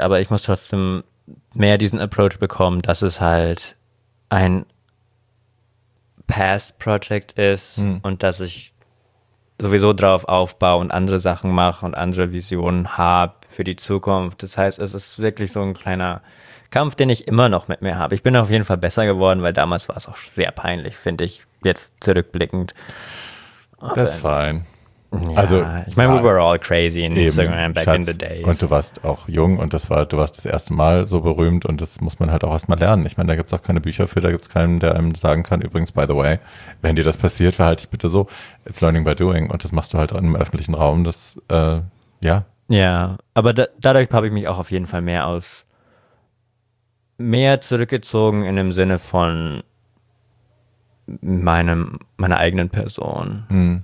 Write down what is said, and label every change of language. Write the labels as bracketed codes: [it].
[de] Aber ich muss trotzdem mehr diesen Approach bekommen, dass es halt ein Past-Project ist und dass ich sowieso drauf aufbaue und andere Sachen mache und andere Visionen habe für die Zukunft. Das heißt, es ist wirklich so ein kleiner Kampf, den ich immer noch mit mir habe. Ich bin auf jeden Fall besser geworden, weil damals war es auch sehr peinlich, finde ich, jetzt zurückblickend. [en] That's fine. [de] Ja, also, ich meine, [en] we were all crazy in Instagram back in the days. [de] Und du warst auch jung und du warst das erste Mal so berühmt und das muss man halt auch erstmal lernen. Ich meine, da gibt es auch keine Bücher für, da gibt es keinen, der einem sagen kann, übrigens, [en] by the way, [de] wenn dir das passiert, verhalte dich bitte so. [en] It's learning by doing [de] und das machst du halt auch im öffentlichen Raum. Das, ja. Ja, aber dadurch habe ich mich auch auf jeden Fall mehr zurückgezogen in dem Sinne von meiner eigenen Person.